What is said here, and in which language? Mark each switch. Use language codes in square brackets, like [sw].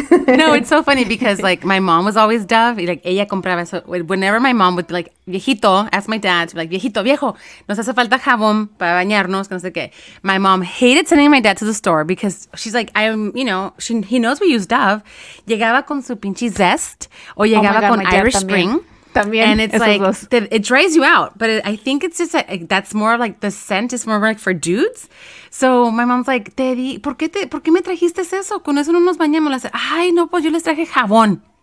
[en] No, it's so funny because like my mom was always Dove. Like [es] ella compraba. [en] So whenever my mom would be like, [es] viejito, [en] ask my dad, be like, [es] viejito, viejo, nos hace falta jabón para bañarnos, que no sé qué. [en] My mom hated sending my dad to the store because she's like, he knows we use Dove. [es] Llegaba con su pinche Zest o llegaba con Irish Spring. También. [en] And it's it dries you out. But I think it's just that's more like the scent is more like for dudes. So my mom's like, [es] Teddy, ¿por qué me trajiste eso? Con eso no nos bañamos. [en] I said, [es] ay, no, pues yo les traje jabón.